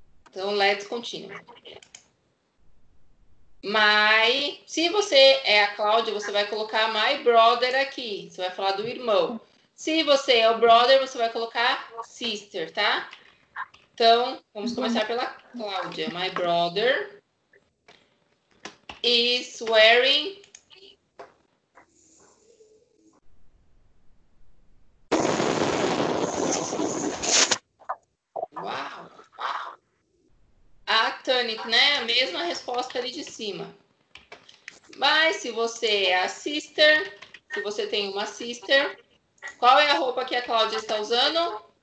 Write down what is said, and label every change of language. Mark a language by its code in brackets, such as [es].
[en] Então, let's continue. [pt] My, se você é a Cláudia, você vai colocar my brother aqui. Você vai falar do irmão. Se você é o brother, você vai colocar sister, tá? Então, vamos começar pela Cláudia. [en] My brother is wearing a tunic, né? [pt] A mesma resposta ali de cima. Mas se você é a sister, se você tem uma sister, qual é a roupa que a Cláudia está usando?